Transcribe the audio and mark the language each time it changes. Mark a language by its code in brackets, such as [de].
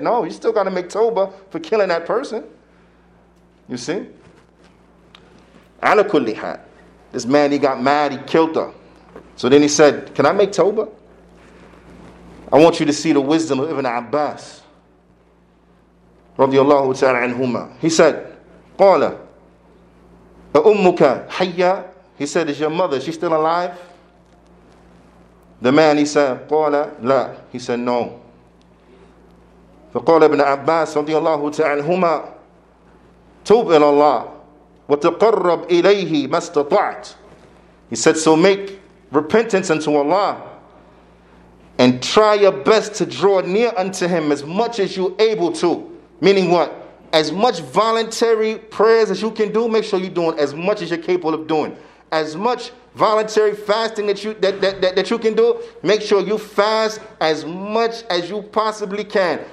[en] No, you still got to make tawbah for killing that person. You see? [ar] Ala kulli hal, [en] this man, he got mad, he killed her. So then he said, can I make tawbah? I want you to see the wisdom of Ibn Abbas. [ar] رضي الله تعالى عنهما. [en] He said, [ar] قال أمك حيا. [en] He said, is your mother, she still alive? The man, he said, [ar] قال لا. [en] He said, no. [ar] فقال ابن عباس رضي الله تعالى عنهما, توب إلى الله وتقرب إليه ما استطعت. [en] He said, so make repentance unto Allah and try your best to draw near unto Him as much as you're able to. Meaning what? As much voluntary prayers as you can do, make sure you're doing as much as you're capable of doing. As much voluntary fasting that you can do, make sure you fast as much as you possibly can.